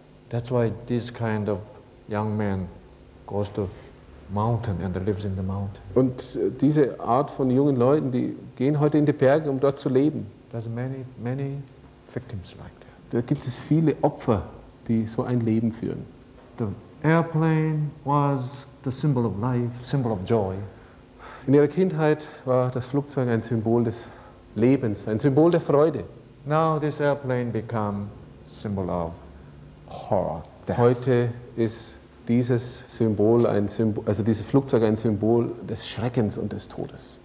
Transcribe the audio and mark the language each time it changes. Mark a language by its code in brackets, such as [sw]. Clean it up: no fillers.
[en] That's why this kind of young man goes to mountain and lives in the mountain. [de] Und diese Art von jungen Leuten, die gehen heute in die Berge, um dort zu leben. [en] There's many victims like that. [de] Da gibt es viele Opfer, die so ein Leben führen. [en] The airplane was the symbol of life, symbol of joy. [de] In ihrer Kindheit war das Flugzeug ein Symbol des Lebens, ein Symbol der Freude. [en] Now this airplane become symbol of horror. Death. [de] Heute ist dieses Symbol ein Symbol, also dieses Flugzeug ein Symbol des Schreckens und des Todes.